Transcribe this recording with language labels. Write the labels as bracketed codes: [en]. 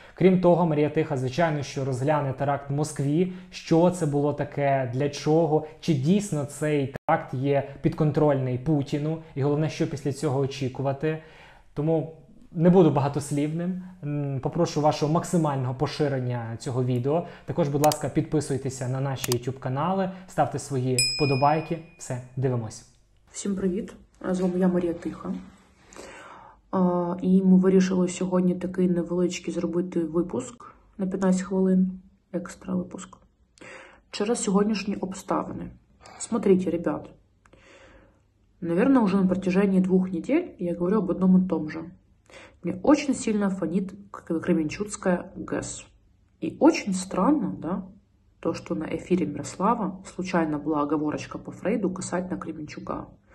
[uk] Крім того, Марія Тиха, звичайно, що розгляне теракт в Москві, що це було таке, для чого, чи дійсно цей теракт є підконтрольний Путіну, і головне, що після цього очікувати. Тому не буду багатослівним, попрошу вашого максимального поширення цього відео. Також, будь ласка, підписуйтеся на наші YouTube-канали, ставте свої вподобайки. Все, дивимось. Всім привіт, з вами я, Марія Тиха. І ми вирішили сьогодні такий невеличкий зробити випуск на 15 хвилин, екстра випуск, через сьогоднішні обставини. [ru] Смотрите, ребят, наверное, уже на протяжении 2 недель я говорю об одном и том же. Мне очень сильно фонит Кременчугская ГЭС. И очень странно, да, то, что на эфире Мирослава случайно была оговорочка по Фрейду касательно Кременчуга.